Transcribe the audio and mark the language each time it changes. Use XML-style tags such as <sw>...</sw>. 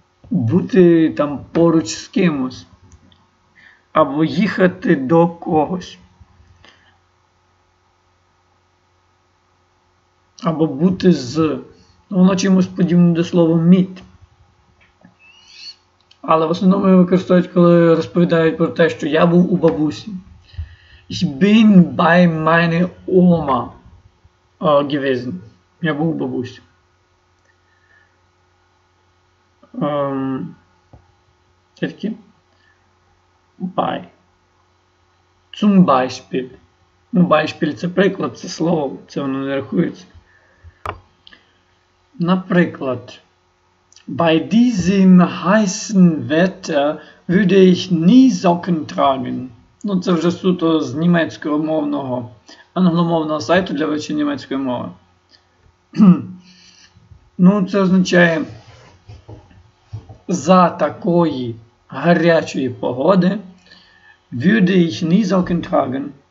<uk>Бути там поруч з кимось, або їхати до когось. Або бути з. Воно чимось подібне до слова «mit». Але в основному його використовують, коли розповідають про те, що я був у бабусі.</uk> <de>Ich bin bei meine Oma gewesen.</de> <uk>Я був у бабусі.</uk> <de>Тільки «bei». Zum Beispiel.</de> <uk>Ну, Beispiel – це приклад, це слово, це воно не рахується. Наприклад,</uk> <de>bei diesem heißen Wetter würde ich nie Socken tragen.</de> <uk>Ну, це вже суто з німецького мовного, англомовного сайту для вивчення німецької мови. Ну, це означає, за такої гарячої погоди</uk> <de>würde ich nie Socken tragen.</de>